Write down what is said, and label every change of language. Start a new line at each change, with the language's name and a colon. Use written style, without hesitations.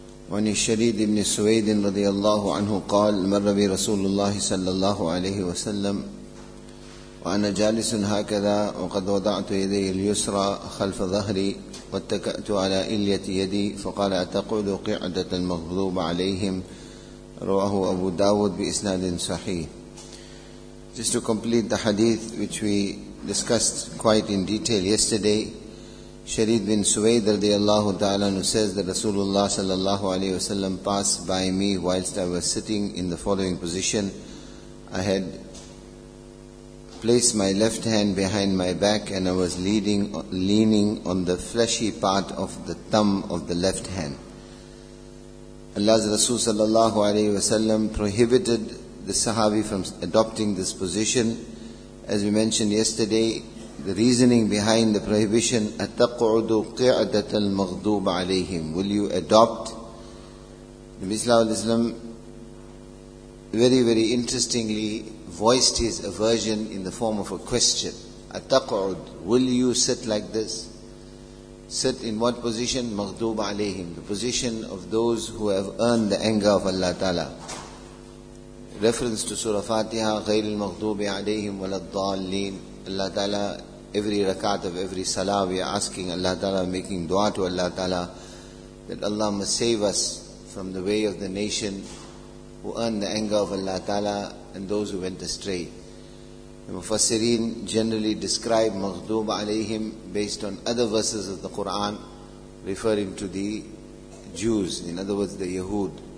Arabic: وعن الشريد بن سويد رضي الله عنه قال: مر بي رسول الله صلى الله عليه وسلم وأنا جالس هكذا، وقد وضعت يدي اليسرى خلف ظهري واتكأت على إلية يدي، فقال: أتقعد قعدة المغضوب عليهم؟ رواه أبو داود بإسناد صحيح.
English: Just to complete the hadith which we discussed quite in detail yesterday, Shareed bin Suwaid radiallahu ta'ala says that Rasulullah sallallahu alayhi wa sallam passed by me whilst I was sitting in the following position. I had placed my left hand behind my back and I was leaning on the fleshy part of the thumb of the left hand. Allah's Rasul sallallahu alayhi wa sallam prohibited the Sahabi from adopting this position. As we mentioned yesterday, the reasoning behind the prohibition,
Arabic: أَتَقْعُدُ قِعْدَةَ الْمَغْضُوبَ عَلَيْهِمْ,
English: will you adopt? The Prophet ﷺ very, very interestingly voiced his aversion in the form of a question. أَتَقْعُدُ, will you sit like this? Sit in what position?
Arabic: مَغْضُوبَ عَلَيْهِمْ,
English: the position of those who have earned the anger of Allah Ta'ala. Reference to Surah Fatiha,
Arabic: غَيْرِ الْمَغْضُوبِ عَلَيْهِمْ وَلَا الضَّالِّينَ.
English: Allah Ta'ala, every rakat of every salah, we are asking Allah Ta'ala, making dua to Allah Ta'ala, that Allah must save us from the way of the nation who earned the anger of Allah Ta'ala and those who went astray. The Mufassireen generally describe
Arabic: مَغْضُوبَ عَلَيْهِمْ
English: based on other verses of the Qur'an referring to the Jews, in other words, the Yahud.